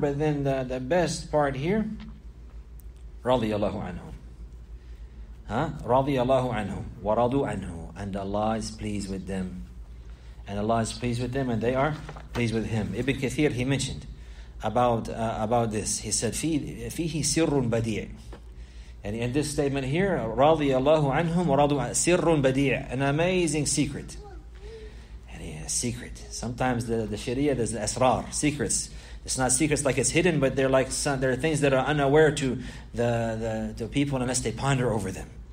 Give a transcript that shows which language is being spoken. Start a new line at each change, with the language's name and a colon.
English: But then the best part here.
Arabic: Radiyallahu anhu. رَضِيَ اللَّهُ عَنْهُمْ وَرَضُوا عَنْهُمْ.
English: And Allah is pleased with them. And Allah is pleased with them and they are pleased with Him. Ibn Kathir, he mentioned about this. He said,
Arabic: فِيهِ سِرٌ بَدِيعٌ.
English: And in this statement here,
Arabic: رَضِيَ اللَّهُ عَنْهُمْ وَرَضُوا عَنْهُمْ. سِرٌ بَدِيعٌ.
English: An amazing secret. And a secret. Sometimes the Sharia, there's the asrar, secrets. It's not secrets like it's hidden, but they're like some, they're things that are unaware to the people unless they ponder over them.